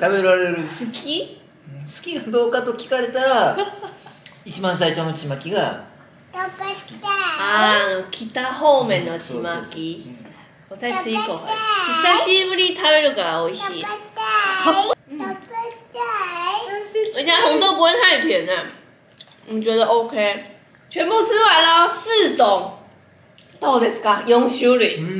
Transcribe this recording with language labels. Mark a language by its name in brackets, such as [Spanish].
[Japanese] 食べられる。好き？好きかどうかと聞かれたら、一番最初のちまきが好き。食べたい。ああ、北方面のちまき。我再吃一口。久しぶり食べるから美味しい。食べたい。 [Chinese] 而且红豆不会太甜呢，你觉得 OK？全部吃完了，四种，どうですか？四種類。